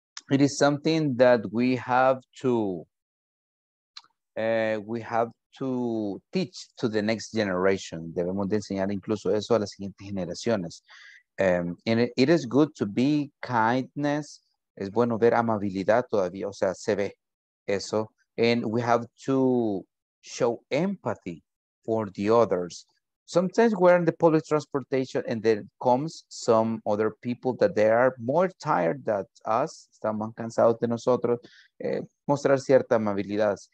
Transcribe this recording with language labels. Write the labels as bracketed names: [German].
[English] It is something that we have to teach to the next generation. [Spanish] Debemos de enseñar incluso eso a las siguientes generaciones. [English] And it is good to be kindness. [Spanish] Es bueno ver amabilidad todavía, o sea, se ve eso. [English] And we have to show empathy for the others. Sometimes we're in the public transportation and then comes some other people that they are more tired than us. [Spanish] Están más cansados de nosotros. Mostrar cierta amabilidad.